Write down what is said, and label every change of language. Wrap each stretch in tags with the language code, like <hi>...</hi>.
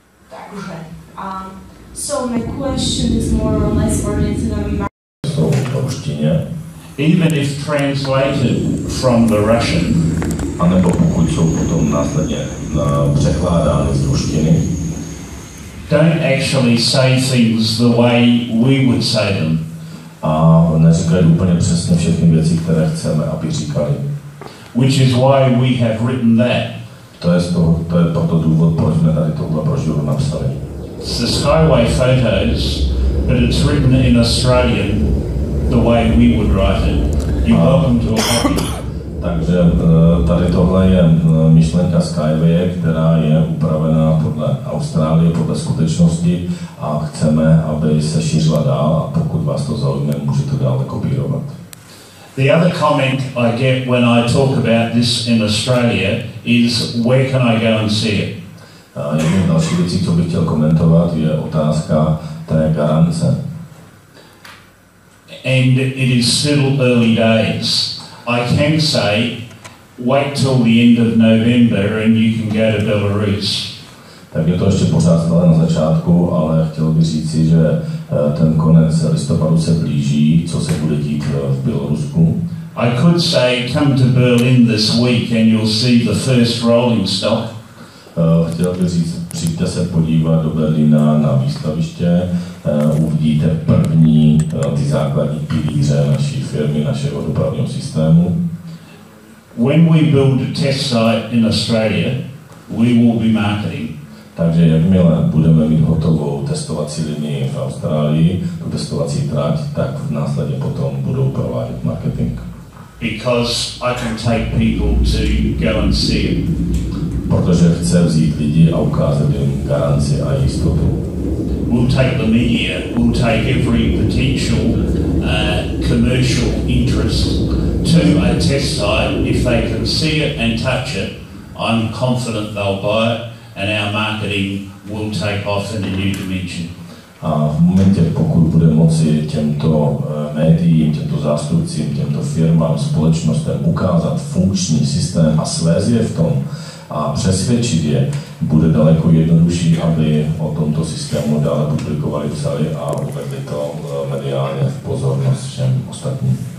<cs>Takže.</cs> <en>So my question is more or less oriented on marketing. Even if translated from the Russian.</en> <cs>A nebo pokud jsou potom následně překládány z ruštiny.</cs> <en>Don't actually say things the way we would say them.</en> <cs>A neříkají úplně přesně všechny věci, které chceme, aby říkali.</cs> <en>Which is why we have written that.</en> <cs>To je proto důvod, proč jsme tady tohle brožuru napsali.</cs> <en>It's the Skyway photos, but it's written in Australian the way we would write it. You're welcome to a copy.</en> <cs>Takže tady tohle je myšlenka Skyway, která je upravená podle Austrálie, podle skutečnosti a chceme, aby se šířila dál a pokud vás to zaujme, můžete dál kopírovat.</cs> <en>The other comment I get when I talk about this in Australia is where can I go and see it?</en> <cs>Jedna další věcí, co bych chtěl komentovat, je otázka té garance.</cs> <en>and it is still early days. I can say, wait till the end of November and you can go to Belarus.</en> <cs>Takže to ještě pořád stále na začátku, ale chtěl bych říci, že ten konec listopadu se blíží, co se bude dít v Bělorusku.</cs> <en>I could say come to Berlin this week and you'll see the first rolling stock.</en> <cs>Chtěl bych říct, přijďte se podívat do Berlína na výstaviště, uvidíte první ty základní pilíře naší firmy, našeho dopravního systému.</cs> <en>When we build a test site in Australia, we will be marketing.</en> <cs>Takže jakmile budeme mít hotovou testovací linii v Austrálii, tu testovací trať, tak v následně potom budou provádět marketing.</cs> <en>Because I can take people to go and see it.</en> <cs>Protože chce vzít lidi a ukázat jim garanci a jistotu.</cs> <en>We'll take the media, we'll take every potential commercial interest to a test site. If they can see it and touch it, I'm confident they'll buy it. And our marketing will take off in a new dimension.</en> <cs>A v momentě, pokud bude moci těmto médiím, těmto zástupcím, těmto firmám, společnostem ukázat funkční systém a svést je v tom a přesvědčit je, bude daleko jednodušší, aby o tomto systému dále publikovali, psali a uvedli to mediálně v pozornost všem ostatním.</cs>